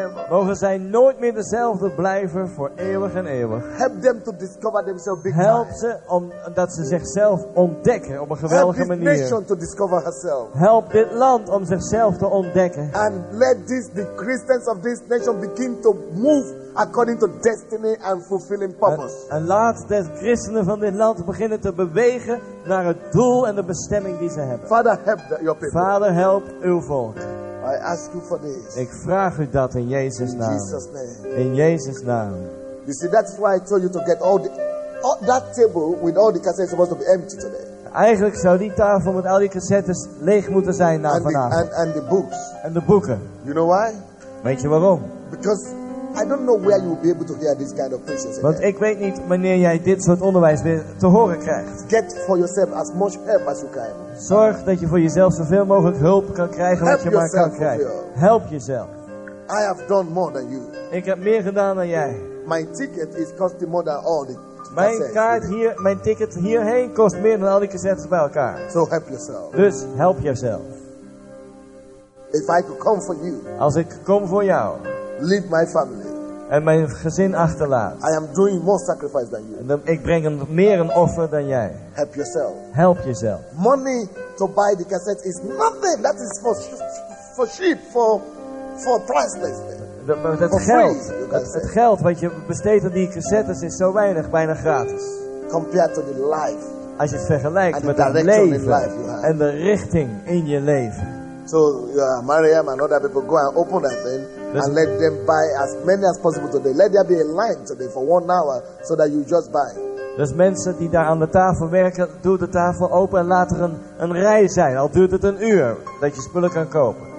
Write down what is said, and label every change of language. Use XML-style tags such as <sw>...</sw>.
<nl>Mogen zij nooit meer dezelfde blijven voor eeuwig en eeuwig.</nl> <en>Help them to discover themselves big time.</en> <nl>Help ze om dat ze zichzelf ontdekken op een geweldige manier.</nl> <en>Help this nation to discover herself.</en> <nl>Help dit land om zichzelf te ontdekken.</nl> <en>And let the Christians of this nation begin to move according to destiny and fulfilling purpose.</en> <nl>En laat de christenen van dit land beginnen te bewegen naar het doel en de bestemming die ze hebben.</nl> <en>Father, help your people.</en> <nl>Vader, help uw volk.</nl> <en>I ask you for this.</en> <nl>Ik vraag u dat in Jezus naam. In Jezus naam.</nl> <en>You see, that's why I told you to get all that table with all the cassettes supposed to be empty today.</en> <nl>Eigenlijk zou die tafel met al die cassettes leeg moeten zijn na vanavond.</nl> <en>And the books.</en> <nl>En de boeken.</nl> <en>You know why?</en> <nl>Weet je waarom?</nl> <en>Because I don't know where you will be able to hear this kind of preaching.</en> <nl>Want ik weet niet wanneer jij dit soort onderwijs weer te horen krijgt.</nl> <en>Get for yourself as much help as you can.</en> <nl>Zorg dat je voor jezelf zoveel mogelijk hulp kan krijgen wat je maar kan krijgen. Help jezelf.</nl> <en>I have done more than you.</en> <nl>Ik heb meer gedaan dan jij.</nl> <en>My ticket is costing more than all the</en> <nl>mijn ticket hierheen kost meer dan al die cassettes bij elkaar.</nl> <en>So help yourself.</en> <nl>Dus help jezelf.</nl> <en>If I could come for you.</en> <nl>Als ik kom voor jou.</nl> <en>Leave my family.</en> <nl>En mijn gezin achterlaat.</nl> <en>I am doing more sacrifice than you.</en> <nl>Ik breng meer een offer dan jij.</nl> <en>Help yourself. Help yourself. Money to buy the cassette is nothing. That is for cheap, for priceless.</en> <nl>Het geld wat je besteedt aan die cassettes is zo weinig, bijna gratis.</nl> <en>Compared to the life.</en> <nl>Als je het vergelijkt met het leven en de richting in je leven.</nl> <en>So Mariam and other people go and open that thing. And let them buy as many as possible today. Let there be a line today for 1 hour so that you just buy.</en> <nl>Dus mensen die daar aan de tafel werken, doe de tafel open en laat er een rij zijn. Al duurt het een uur dat je spullen kan kopen.</nl>